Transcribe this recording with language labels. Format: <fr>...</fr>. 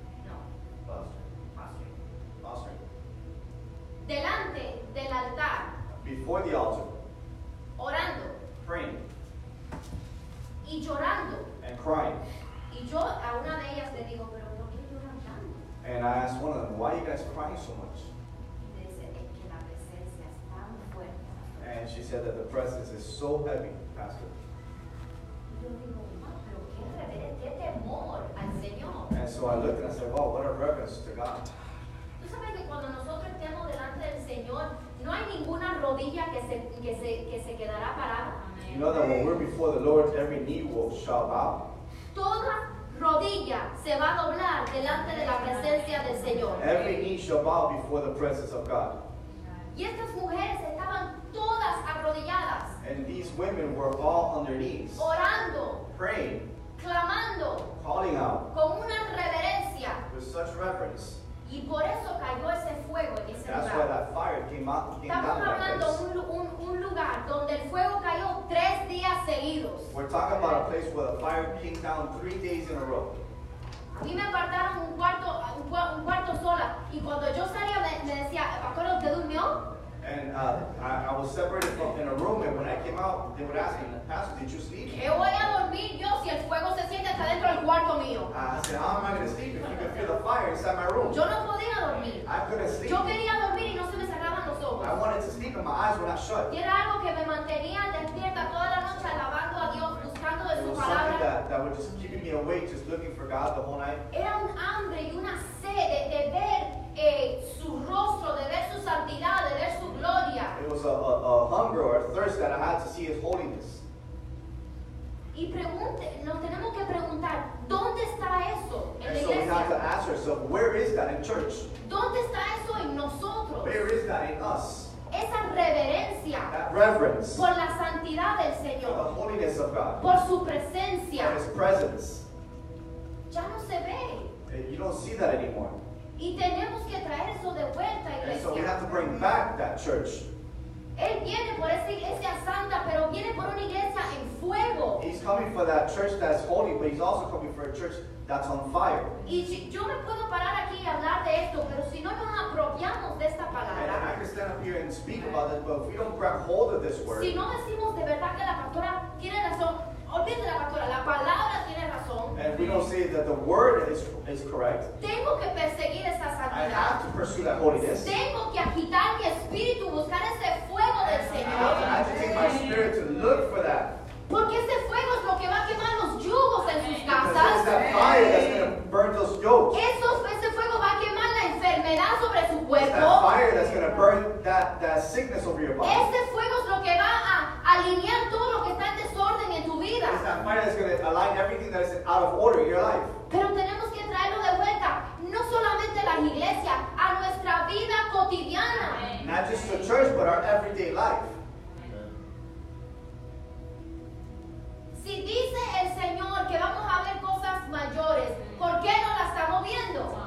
<es>No.</es> <en>Posture.</en> <es>Delante del altar.</es> <en>Before the altar.</en> <es>Orando.</es> <en>Praying.</en> <es>Y llorando.</es> <en>And crying.</en> <es>Y yo a una de ellas le digo, pero ¿por qué lloran tanto?</es> <en>And I asked one of them, why are you guys crying so much?</en> <es>Dice, es que la presencia es tan fuerte.</es> <en>And she said that the presence is so heavy, Pastor.</en> <es>Yo digo, pero qué temor al Señor.</es> <en>And so I looked and I said, wow, what a reverence to God.</en> <es>Tú sabes que cuando nosotros estemos delante del Señor, no hay ninguna rodilla que se quedará parada.</es> <en>You know that when we're before the Lord, every knee will shall bow.</en> <es>Toda rodilla se va a doblar delante de la presencia del Señor.</es> <en>Every knee shall bow before the presence of God.</en> <es>Y estas mujeres estaban todas arrodilladas.</es> <en>And these women were all on their knees.</en> <es>Orando.</es> <en>Praying.</en> <es>Clamando.</es> <en>Calling out.</en> <es>Con una reverencia.</es> <en>With such reverence.</en> <es>Y por eso cayó ese fuego en ese</es> <en>that's</en> <es>lugar.</es> <en>Why that fire came out, came</en> <es>estamos</es> <en>down</en> <es>hablando</es> <en>like this.</en> <es>Un lugar donde el fuego cayó tres días seguidos.</es> <en>We're talking about a place where the fire came down 3 days in a row.</en> <es>A mí me apartaron un cuarto sola. Y cuando yo salía me decía, ¿acuerdas que durmió?</es> <en>And I was separated from in a room, and when I came out, they would ask me, Pastor, did you sleep?</en> <es>¿Qué voy a dormir yo si el fuego se siente hasta dentro del cuarto mío?</es> <en>I said, how am I going to sleep if you can feel the fire inside my room?</en> <es>Yo no podía dormir.</es> <en>I couldn't sleep.</en> <es>Yo quería dormir y no se me cerraban los ojos.</es> <en>I wanted to sleep and my eyes were not shut.</en> <es>Y era algo que me mantenía despierta toda la noche alabando a Dios, buscando de su palabra.</es> <en>It was something that was just keeping me awake, just looking for God the whole night.</en> <es>Era un hambre y una sed de ver su rostro, de ver su santidad, de ver su gloria.</es> <en>It was a hunger or a thirst that I had to see his holiness.</en> <es>Y nos tenemos que preguntar, ¿dónde está eso en la iglesia?</es> <en>So we have to ask ourselves, where is that in church?</en> <es>¿Dónde está eso en nosotros?</es> <en>Where is that in us?</en> <es>Esa reverencia.</es> <en>That reverence.</en> <es>Por la santidad del Señor.</es> <en>For the holiness of God.</en> <es>Por su presencia.</es> <en>For his presence.</en> <es>Ya no se ve.</es> <en>You don't see that anymore.</en> <es>Y tenemos que traer eso de vuelta, iglesia.</es> <en>And so we have to bring back that church.</en> <es>Él viene por esa iglesia santa, pero viene por una iglesia en fuego.</es> <en>He's coming for that church that's holy, but he's also coming for a church that's on fire.</en> <es>Y si yo me puedo parar aquí y hablar de esto, pero si no nos apropiamos de esta palabra.</es> <en>And I can stand up here and speak about this, but if we don't grab hold of this word.</en> <es>Si no decimos de verdad que la pastora tiene razón, olvídate de la pastora, la palabra tiene razón.</es> <en>and we don't see that the word is correct,</en> <es>tengo que perseguir esa santidad.</es> <en>I have to pursue that holiness.</en> <es>Tengo que agitar mi espíritu, buscar ese fuego del Señor.</es> <en>I have to agitate my spirit to look for that.</en> <es>Porque ese fuego es lo que va a quemar los yugos en sus casas.</es> <en>Because it's that fire that's going to burn those yokes.</en> <es>Ese fuego va a quemar la enfermedad sobre su cuerpo.</es> <en>It's that fire that's going to burn that sickness over your body.</en> <es>Ese fuego es lo que va a alinear todo lo que está en desorden en tu vida.</es> <en>It's that fire that's going to align everything that is out of order in your life.</en> <es>Pero tenemos que traerlo de vuelta, no solamente a las iglesias, a nuestra vida cotidiana.</es> <en>Not just to church, but our everyday life.</en> <es>Si dice el Señor que vamos a ver cosas mayores, ¿por qué no las estamos viendo?</es>